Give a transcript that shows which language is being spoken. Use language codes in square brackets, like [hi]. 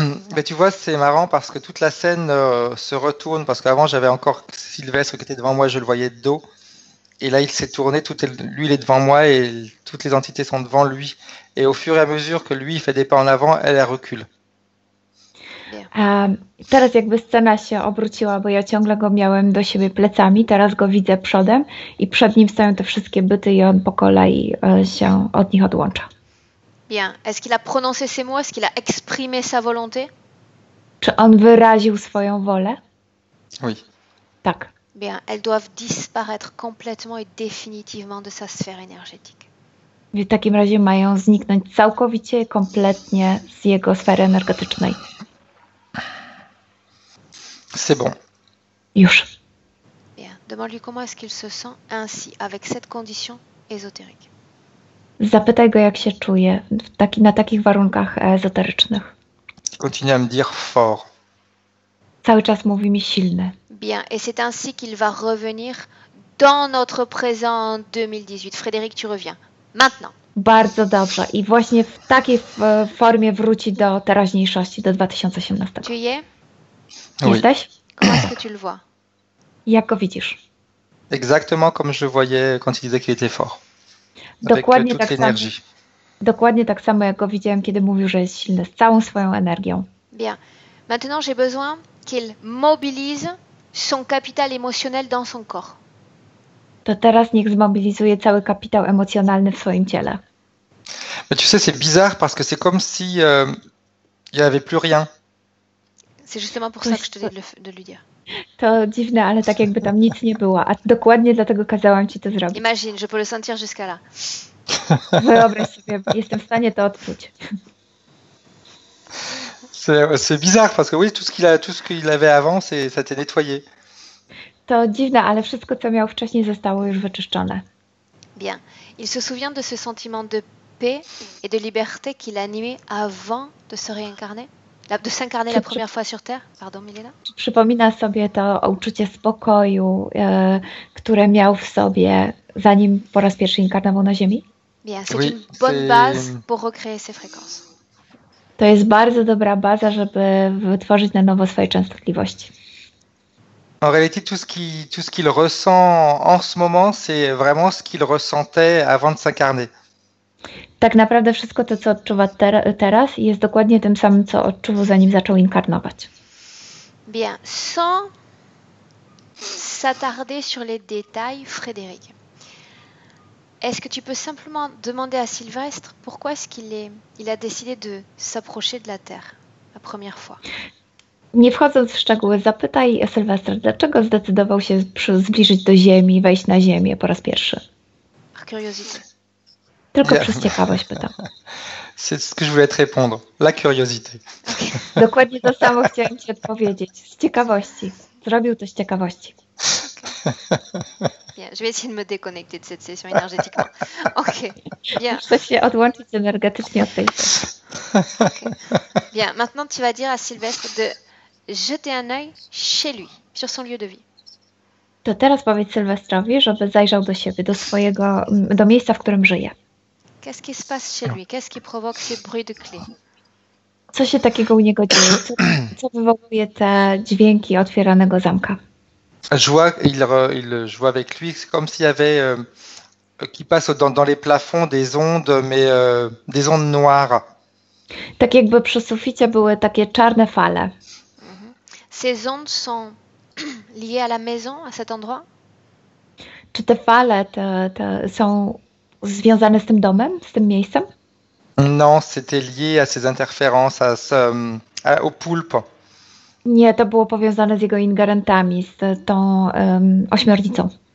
[fr] Mais tu vois, c'est marrant parce que toute la scène se retourne, parce qu'avant j'avais encore Sylvestre qui était devant moi, je le voyais de dos. Et là, il s'est tourné, lui, il est devant moi et toutes les entités sont devant lui. Et au fur et à mesure que lui, il fait des pas en avant, elle recule. [pl] Teraz jakby scena się obróciła, bo ja ciągle go miałem do siebie plecami, teraz go widzę przodem i przed nim stoją te wszystkie byty i on po kolei się od nich odłącza. [fr] Bien. Est-ce qu'il a prononcé ces mots? Est-ce qu'il a exprimé sa volonté? [pl] Czy on wyraził swoją wolę? [fr] Oui. [pl] Tak. [fr] Bien. Elles doivent disparaître complètement et définitivement de sa sphère énergétique. [pl] W takim razie mają zniknąć całkowicie i kompletnie z jego sfery energetycznej. [fr] C'est bon. Yush. Bien. Demande-lui comment est-ce qu'il se sent ainsi, avec cette condition ésotérique. [pl] Zapytaj go, jak się czuje na takich warunkach ezoterycznych. [fr] Continue à me dire fort. [pl] Cały czas mówi mi silny. [fr] Bien. Et c'est ainsi qu'il va revenir dans notre présent 2018. Frédéric, tu reviens. Maintenant. [pl] Bardzo dobrze. I właśnie w takiej formie wróci do teraźniejszości, do 2018. [fr] Tu y es? [pl] Jesteś? [fr] Comment est-ce que tu le vois? [pl] Jak go widzisz? [fr] Exactement comme je voyais quand il disait qu'il était fort. [pl] Dokładnie [fr] avec toute l'énergie. [pl] Dokładnie tak samo, jak go widziałem, kiedy mówił, że jest silny, z całą swoją energią. [fr] Bien. Maintenant, j'ai besoin qu'il mobilise son capital émotionnel dans son corps. [pl] To teraz niech zmobilizuje cały kapitał emocjonalny w swoim ciele. [fr] Mais tu sais, c'est bizarre parce que c'est comme si il n'y avait plus rien. C'est justement pour ça que je te dis de lui dire. [pl] To dziwne, ale tak jakby tam nic nie było. A dokładnie dlatego kazałam ci to zrobić. [fr] Imagine, je peux le sentir jusqu'à là. [pl] Wyobraź sobie, jestem w stanie to odczuć. [fr] C'est bizarre, parce que oui, tout ce qu'il avait avant, ça t'est nettoyé. [pl] To dziwne, ale wszystko, co miał wcześniej, zostało już wyczyszczone. [fr] Bien. Il se souvient de ce sentiment de paix et de liberté qu'il animait avant de se réincarner? De s'incarner la première fois sur Terre, pardon, Milena. [pl] Przypomina sobie to uczucie spokoju, które miał w sobie, zanim po raz pierwszy inkarnował na Ziemi. [fr] Bien, c'est une bonne base pour recréer ses fréquences. [pl] To jest bardzo dobra baza, żeby wytworzyć na nowo swoje częstotliwości. [fr] En réalité, tout ce qu'il ressent en ce moment, c'est vraiment ce qu'il ressentait avant de s'incarner. [pl] Tak naprawdę wszystko to, co odczuwa teraz, jest dokładnie tym samym, co odczuwał, zanim zaczął inkarnować. [fr] Bien, sans s'attarder sur les détails, Frédéric, est-ce que tu peux simplement demander à Sylvestre pourquoi est-ce qu'il a décidé de s'approcher de la Terre la première fois? [pl] Nie wchodząc w szczegóły, zapytaj Sylwestra, dlaczego zdecydował się zbliżyć do Ziemi, wejść na Ziemię po raz pierwszy? [fr] Par curiosité. [pl] Tylko przez ciekawość pytam. [fr] C'est ce que je voulais te répondre. La curiosité. [en] Okay. [pl] Dokładnie to samo chciałem ci odpowiedzieć. Z ciekawości. Zrobił to z ciekawości. [fr] Bien, je vais essayer de me déconnecter de cette session énergétique. Ok. Bien. [pl] Muszę się odłączyć energetycznie od tej sesji. [fr] Bien, maintenant tu vas dire à Sylvestre de jeter un œil chez lui, sur son lieu de vie. [pl] To teraz powiedz Sylwestrowi, żeby zajrzał do siebie, do miejsca, w którym żyje. [fr] Qu'est-ce qui se passe chez lui? Qu'est-ce qui provoque ces bruits de clés? [pl] Co się takiego u niego dzieje? Co wywołuje te dźwięki otwieranego zamka? [fr] Je vois avec lui, c'est comme s'il y avait qui passe dans les plafonds des ondes, mais des ondes noires. [pl] Tak jakby przy suficie były takie czarne fale. [fr] Ces ondes sont liées à la maison, à cet endroit? [pl] Czy te fale te są związane z tym domem, z tym miejscem? [fr] Non, c'était lié à ses interférences, au poulpe. [pl] Nie, to było powiązane z jego ingerentami, z tą ośmiornicą.